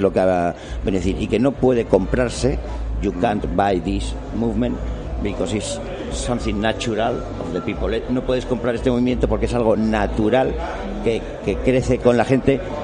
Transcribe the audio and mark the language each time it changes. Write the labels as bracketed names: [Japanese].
[Spanish] Es lo que viene a decir, y que no puede comprarse. [English] You can't buy this movement because it's something natural of the people. [Spanish] No puedes comprar este movimiento porque es algo natural que crece con la gente.